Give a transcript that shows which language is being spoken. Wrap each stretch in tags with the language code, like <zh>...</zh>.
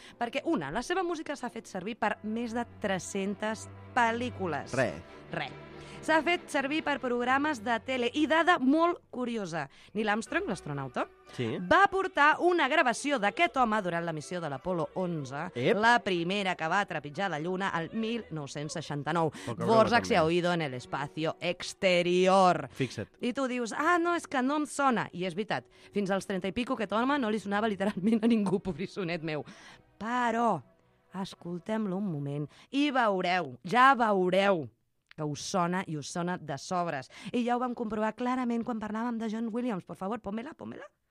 <ca>Perquè, una, la seva música s'ha fet servir per més de 300 pel·lícules. Res. s'ha fet servir per programes de tele. I dada molt curiosa. Neil Armstrong, l'astronauta, sí, va portar una gravació d'aquest home durant la missió de l'Apolo 11, ep, la primera que va trepitjar la Lluna el 1969.</ca> <es>Vorzak se ha oído en el espacio exterior.</es> <ca>Fixa't. I tu dius, ah, no, és que no em sona. I és veritat, fins als 30 i pico aquest home no li sonava literalment a ningú, pobrissonet meu. Però escoltem-lo un moment i veureu, ja veureu, que us sona i us sona de sobres. I ja ho vam comprovar clarament quan parlàvem de John Williams.</ca> <es>Por favor, pómela, pómela.</es>